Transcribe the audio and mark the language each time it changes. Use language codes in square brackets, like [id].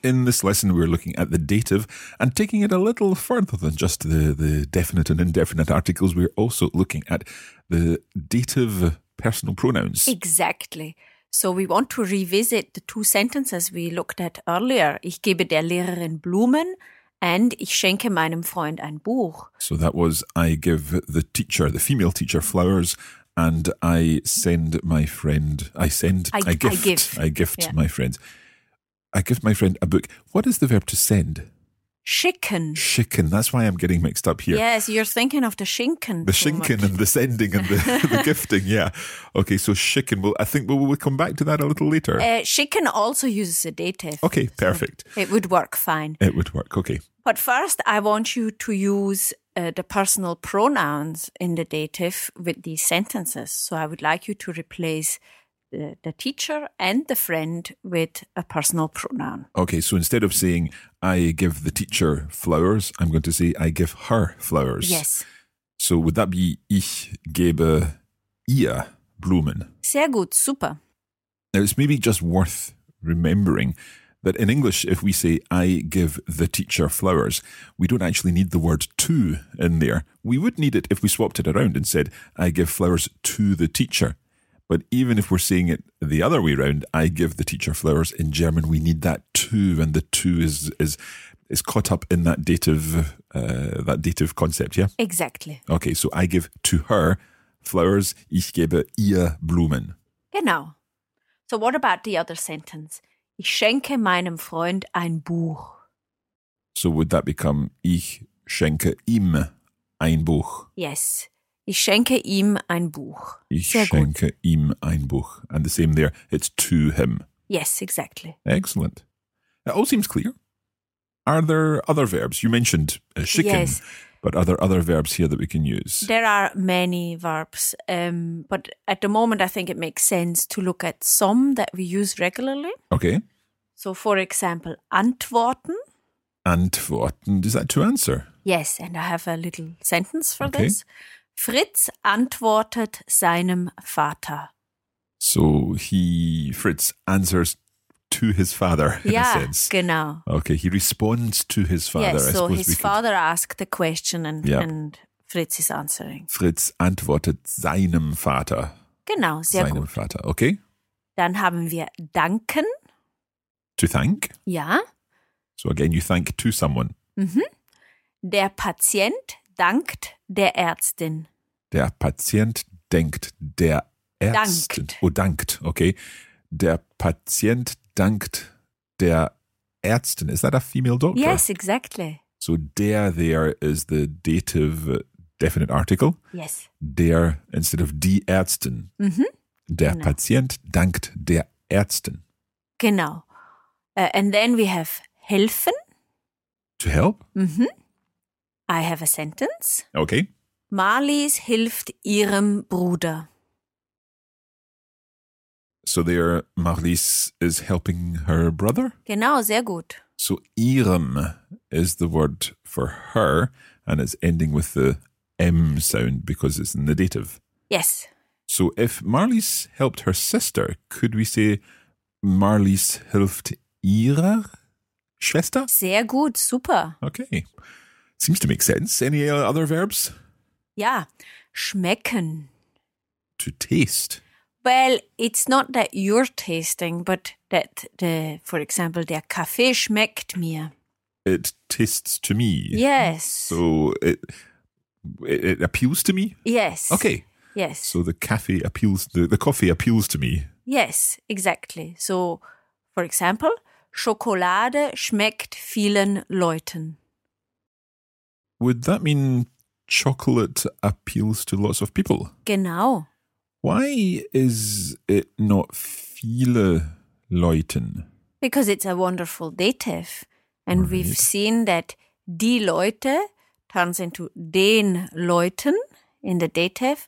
[en] In this lesson, we're looking at the dative and taking it a little further than just the definite and indefinite articles. We're also looking at the dative personal pronouns. Exactly. So we want to revisit the 2 sentences we looked at earlier. [de] Ich gebe der Lehrerin Blumen and ich schenke meinem Freund ein Buch. [en] So that was, I give the teacher, the female teacher, flowers. And I send my friend, I send, I gift my friend. I gift my friend a book. What is the verb to send? [de] Schicken. Schicken. [en] That's why I'm getting mixed up here. Yes, you're thinking of the schinken. The schinken much. And the sending and the gifting, yeah. Okay, so schicken. Well, I think we'll come back to that a little later. Schicken also uses a dative. Okay, perfect. So it would work fine. It would work, okay. But first, I want you to use the personal pronouns in the dative with these sentences. So I would like you to replace the teacher and the friend with a personal pronoun. Okay, so instead of saying, I give the teacher flowers, I'm going to say, I give her flowers. Yes. So would that be, [de] ich gebe ihr Blumen? Sehr gut, super. [en] Now, it's maybe just worth remembering that in English, if we say, I give the teacher flowers, we don't actually need the word to in there. We would need it if we swapped it around and said, I give flowers to the teacher. But even if we're saying it the other way around, I give the teacher flowers, in German we need that too, and the too is caught up in that dative concept, yeah? Exactly. Okay, so I give to her flowers, [de] ich gebe ihr Blumen. Genau. [en] So what about the other sentence? [de] Ich schenke meinem Freund ein Buch. [en] So would that become, [de] ich schenke ihm ein Buch? [en] Yes. [de] Ich schenke ihm ein Buch. Ich schenke ihm ein Buch. [en] And the same there, it's to him. Yes, exactly. Excellent. It all seems clear. Are there other verbs? You mentioned schicken, yes. But are there other verbs here that we can use? There are many verbs, but at the moment I think it makes sense to look at some that we use regularly. Okay. So for example, antworten. Antworten, is that to answer? Yes, and I have a little sentence for this. [de] Fritz antwortet seinem Vater. [en] So Fritz answers to his father, in yeah, a sense. Yeah, [de] genau. [en] Okay, he responds to his father. Yes, yeah, so his father asked the question and, yeah. and Fritz is answering. [de] Fritz antwortet seinem Vater. Genau, sehr seinem gut. Seinem Vater, okay. Dann haben wir danken. [en] To thank? [de] Ja. [en] So again, you thank to someone. Mhm. [de] Der Patient dankt der Ärztin. Der Patient denkt der Ärztin. Dankt. [en] Oh, dankt, okay. [de] Der Patient dankt der Ärztin. [en] Is that a female doctor? Yes, exactly. So der there is the dative definite article. Yes. Der instead of [de] die Ärztin. Mm-hmm. Der genau. Patient dankt der Ärztin. Genau. [en] And then we have helfen. To help? Mm-hmm. I have a sentence. Okay. [de] Marlies hilft ihrem Bruder. [en] So there, Marlies is helping her brother? [de] Genau, sehr gut. [en] So ihrem is the word for her, and it's ending with the M sound because it's in the dative. Yes. So if Marlies helped her sister, could we say [de] Marlies hilft ihrer Schwester? Sehr gut, super. [en] Okay. Seems to make sense. Any other verbs? [de] Ja, schmecken. [en] To taste. Well, it's not that you're tasting, but that, the, for example, [de] der Kaffee schmeckt mir. [en] It tastes to me. Yes. So it appeals to me? Yes. Okay. Yes. So the coffee appeals to me. Yes, exactly. So, for example, [de] Schokolade schmeckt vielen Leuten. [en] Would that mean chocolate appeals to lots of people? [de] Genau. [en] Why is it not [de] viele Leuten? [en] Because it's a wonderful dative. And right. we've seen that [de] die Leute [en] turns into [de] den Leuten [en] in the dative.